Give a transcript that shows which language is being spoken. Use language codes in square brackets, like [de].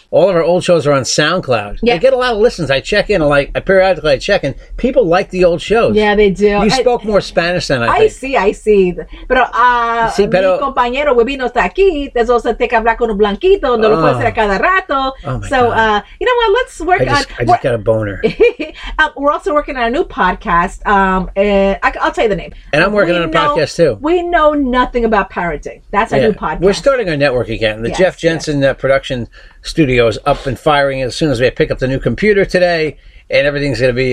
[en] All of our old shows are on SoundCloud. Yeah. I get a lot of listens. I periodically check, and people like the old shows. Yeah, they do. You spoke more Spanish than I think. I see. [es] Pero, mi compañero, Webino está aquí. Te vas a tener que hablar con un blanquito. No lo puedo hacer a cada rato. [en] Oh, so, you know what? Let's work on... I just got a boner. we're also working on a new podcast. I'll tell you the name. And I'm working on a podcast, too. We know nothing about parenting. That's our new podcast. We're starting our network again. The Jeff Jensen production studio is up and firing as soon as we pick up the new computer today. And everything's going to be...